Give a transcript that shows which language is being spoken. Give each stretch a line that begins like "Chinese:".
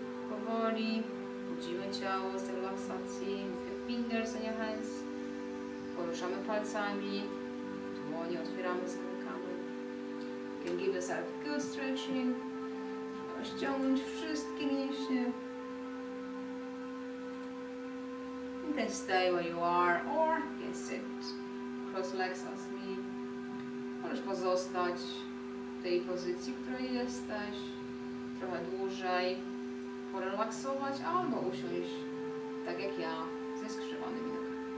Polish: Powoli budzimy ciało z relaksacji.
English: With your fingers and your hands.
Polish: Poruszamy palcami. Dłonie otwieramy, zamykamy.
English: You can give yourself good stretching.
Polish: Rozciągnąć wszystkie mięśnie.
English: You can stay where you are or you can sit. Cross legs as me.
Polish: Możesz pozostać w tej pozycji, w której jesteś, trochę dłużej, porelaksować, albo usiąść tak jak ja, ze skrzyżowanymi nogami.